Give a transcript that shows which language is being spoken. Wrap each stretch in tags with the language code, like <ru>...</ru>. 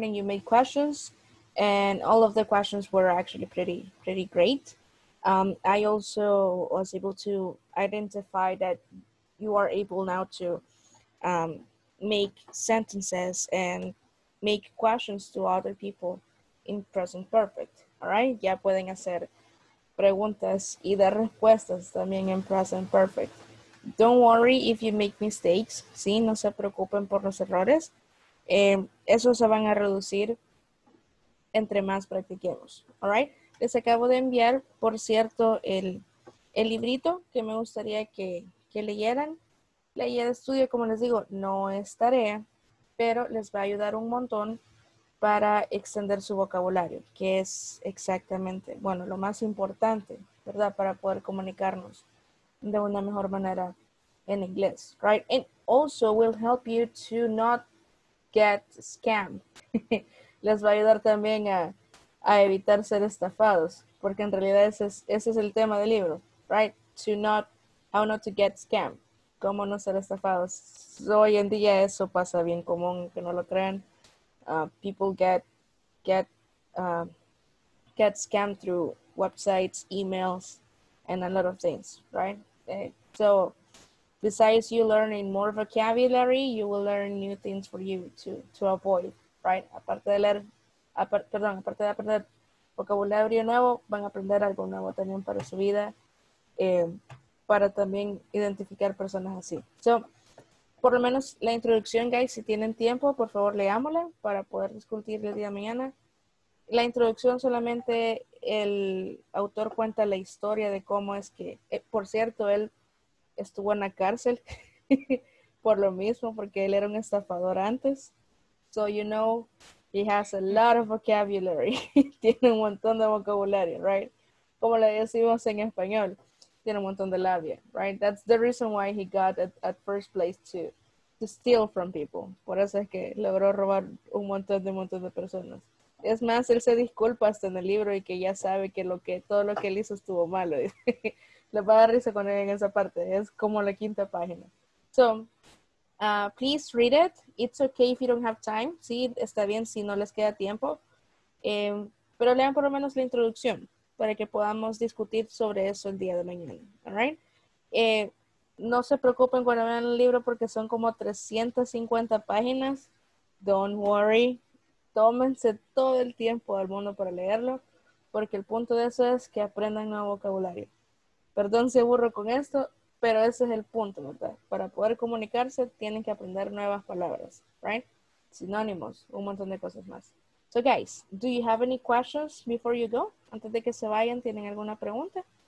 <en>And you made questions, and all of the questions were actually pretty great. I also was able to identify that you are able now to make sentences and make questions to other people in present perfect, all right?</en> <es>Ya pueden hacer preguntas y de respuestas también en present perfect.</es> <en>Don't worry if you make mistakes, ¿sí?</en> <es>No se preocupen por los errores. Esos se van a reducir entre más practiquemos, all right? Les acabo de enviar, por cierto, el librito que me gustaría que leyeran. La guía de estudio, como les digo, no es tarea, pero les va a ayudar un montón para extender su vocabulario, que es exactamente, bueno, lo más importante, ¿verdad? Para poder comunicarnos de una mejor manera en inglés, right?</es> <en>And also will help you to not get scammed.</en> <es>Les va a ayudar también a evitar ser estafados, porque en realidad ese es el tema del libro, right?</es> <en>How not to get scammed.</en> <es>¿Cómo no ser estafados? Hoy en día eso pasa bien común, que no lo crean.</es> <en>People get scammed through websites, emails, and a lot of things, right? Okay. So besides you learning more vocabulary, you will learn new things for you to avoid, right?</en> <es>Aparte de aprender vocabulario nuevo, van a aprender algo nuevo también para su vida, para también identificar personas así.</es> <en>So,</en> <es>por lo menos la introducción, guys, si tienen tiempo, por favor, leámosla para poder discutir el día de mañana. La introducción solamente el autor cuenta la historia de cómo es que, por cierto, él estuvo en la cárcel por lo mismo, porque él era un estafador antes.</es> <en>So, you know, he has a lot of vocabulary.</en> <es>Tiene un montón de vocabulario, right? Como le decimos en español, tiene un montón de labia, right?</es> <en>That's the reason why he got at first place to steal from people.</en> <es>Por eso es que logró robar un montón de personas. Es más, él se disculpa hasta en el libro y que ya sabe que todo lo que él hizo estuvo malo. Le va a dar risa con él en esa parte. Es como la quinta página.</es> <en>So, please read it. It's okay if you don't have time.</en> <es>Sí, está bien si no les queda tiempo. Pero lean por lo menos la introducción para que podamos discutir sobre eso el día de mañana.</es> <en>All right?</en> <es>No se preocupen cuando vean el libro porque son como 350 páginas.</es> <en>Don't worry.</en> <es>Tómense todo el tiempo del mundo para leerlo, porque el punto de eso es que aprendan nuevo vocabulario. Perdón si aburro con esto, pero ese es el punto, ¿verdad? Para poder comunicarse, tienen que aprender nuevas palabras, right? Sinónimos, un montón de cosas más.</es> <en>So, guys, do you have any questions before you go?</en> <es>Antes de que se vayan, ¿tienen alguna pregunta?</es>